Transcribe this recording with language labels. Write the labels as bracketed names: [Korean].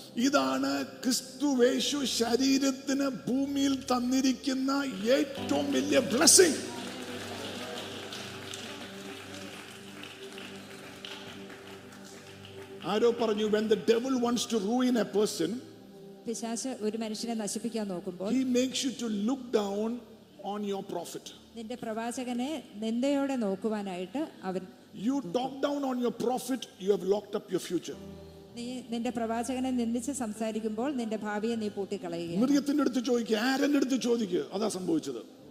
[Malayalam] ഇതാണ് ക്രിസ്തുവേശു ശരീരത്തിന് ഭൂമിയിൽ തന്നിരിക്കുന്ന ഏറ്റവും വലിയ ബ്ലെസ്സിംഗ്. ആരോ പറഞ്ഞു, [English] when the devil wants to ruin a person, [Malayalam] പിശാച് ഒരു മനുഷ്യനെ നശിപ്പിക്കാൻ നോക്കുമ്പോൾ, [English] he makes you to look down on your prophet. [Malayalam] നിന്റെ പ്രവാചകനെ നിന്ദയോടെ നോക്കുവാനായിട്ട് അവൻ, [English] you talk down on your prophet, you have locked up your future. [Malayalam] നീ നിന്റെ പ്രവാചകനെ നിന്ദിച്ച് സംസാരിക്കുമ്പോൾ നിന്റെ ഭാവിയെ നീ പൂട്ടിക്കളയുകയാണ്. മൃഗത്തിന്റെ അടുത്ത് ചോദിക്കുക, ആരന്റെ അടുത്ത് ചോദിക്കുക, അതാ സംഭവിച്ചത്.